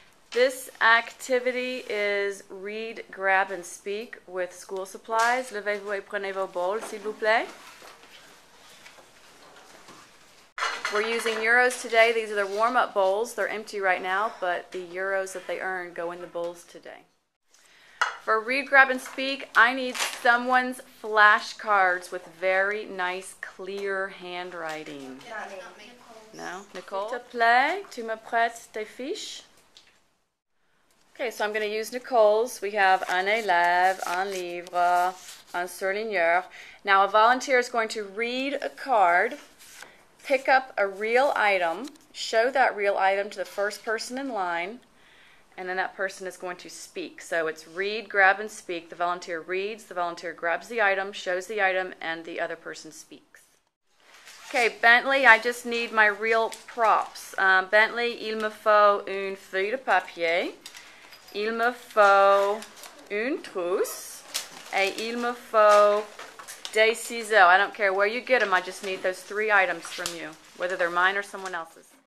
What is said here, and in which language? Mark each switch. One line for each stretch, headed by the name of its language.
English: This activity is read, grab, and speak with school supplies.
French: Levez-vous et prenez vos bowls, s'il vous plaît.
English: We're using euros today. These are their warm-up bowls. They're empty right now, but the euros that they earn go in the bowls today. For read, grab, and speak, I need someone's flashcards with very nice, clear handwriting. Not me. No? Nicole?
French: S'il te plaît, tu me prêtes tes fiches?
English: Okay, so I'm going to use Nicole's. We have
French: un élève, un livre, un surligneur.
English: Now, a volunteer is going to read a card, pick up a real item, show that real item to the first person in line, and then that person is going to speak. So it's read, grab, and speak. The volunteer reads, the volunteer grabs the item, shows the item, and the other person speaks. Okay, Bentley, I just need my real props.
French: Bentley, il me faut une feuille de papier. Il me faut une trousse et il me faut des ciseaux.
English: I don't care where you get them. I just need those three items from you, whether they're mine or someone else's.